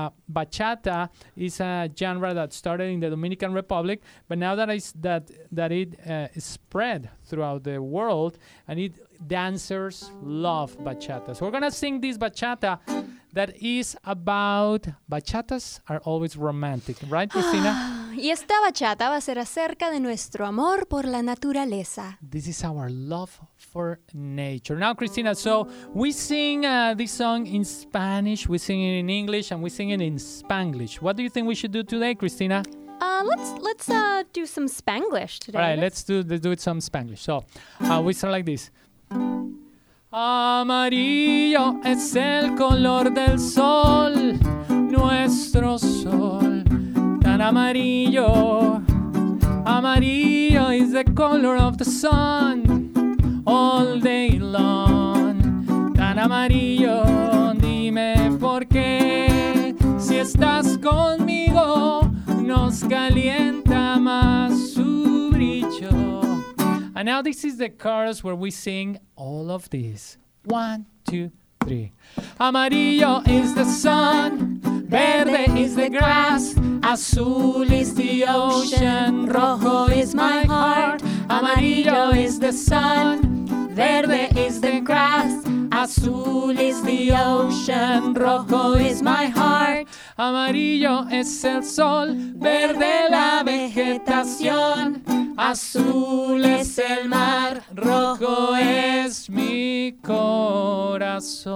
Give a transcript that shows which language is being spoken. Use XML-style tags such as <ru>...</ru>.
<en>Bachata is a genre that started in the Dominican Republic, but now that it spread throughout the world, and dancers love bachata. So we're going to sing this bachata that is about... Bachatas are always romantic, right, Cristina?</en> <es>Y esta bachata va a ser acerca de nuestro amor por la naturaleza.</es> <en>This is our love for nature. Now, Cristina, so we sing this song in Spanish, we sing it in English, and we sing it in Spanglish. What do you think we should do today, Cristina? Let's do some Spanglish today. All right, let's do it some Spanglish. So we start like this.</en> <es>Amarillo es el color del sol, nuestro sol. Amarillo, amarillo</es> <en>is the color of the sun all day long.</en> <es>Tan amarillo, dime por qué. Si estás conmigo, nos calienta más su brillo.</es> <en>And now this is the chorus where we sing all of this. One, two, three. Amarillo is the sun, verde is the grass. Azul is the ocean, rojo is my heart. Amarillo is the sun, verde is the grass. Azul is the ocean, rojo is my heart.</en> <es>Amarillo es el sol, verde la vegetación. Azul es el mar, rojo es mi corazón.</es>